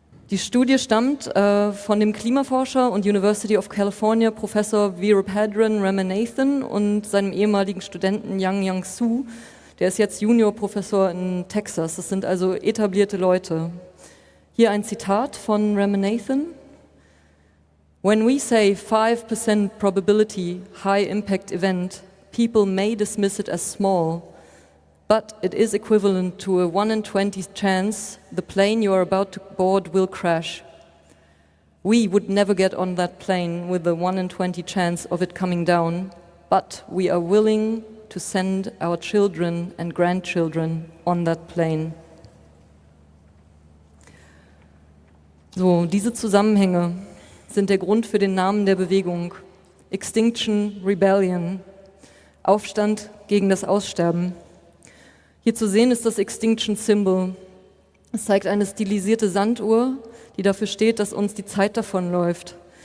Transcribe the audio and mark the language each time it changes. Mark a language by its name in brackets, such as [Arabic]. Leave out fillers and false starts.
[German] Die Studie stammt von dem Klimaforscher und University of California Professor Veerapadran Ramanathan und seinem ehemaligen Studenten Yang Yang Su, der ist jetzt Juniorprofessor in Texas. Das sind also etablierte Leute. Hier ein Zitat von Ramanathan. [English] When we say 5% probability high impact event, people may dismiss it as small. But it is equivalent to a 1 in 20 chance the plane you are about to board will crash. We would never get on that plane with a 1 in 20 chance of it coming down, but we are willing to send our children and grandchildren on that plane. [German] So, diese Zusammenhänge sind der Grund für den Namen der Bewegung. Extinction Rebellion. Aufstand gegen das Aussterben. Hier zu sehen ist das Extinction Symbol. Es zeigt eine stilisierte Sanduhr, die dafür steht, dass uns die Zeit davonläuft.